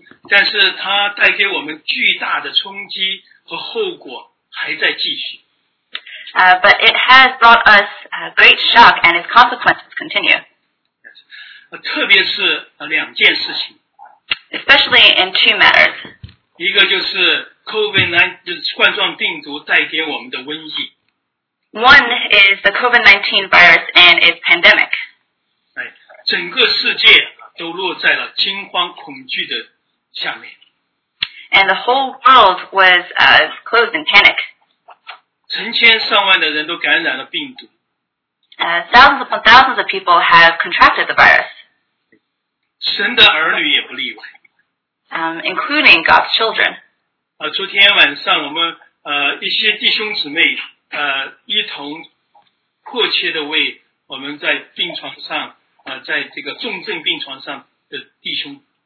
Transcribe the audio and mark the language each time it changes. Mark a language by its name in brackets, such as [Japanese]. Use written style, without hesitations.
[Chinese] 但是它带给我们巨大的冲击和后果还在继续。 [English] But it has brought us a great shock and its consequences continue. [Chinese] Yes. 特别是两件事情。 [English] Especially in two matters. [Chinese] 一个就是 COVID-19, 就是冠状病毒带给我们的瘟疫。 [English] One is the COVID-19 virus and its pandemic. [Chinese] 整个世界都落在了惊慌恐惧的下面。 [English] And the whole world was closed in panic. [Chinese] 成千上万的人都感染了病毒。 [English] Thousands upon thousands of people have contracted the virus. [Chinese] 神的儿女也不例外。 [English] Including God's children. [Chinese] 昨天晚上我们一些弟兄姊妹一同迫切地为我们在病床上在这个重症病床上的弟兄。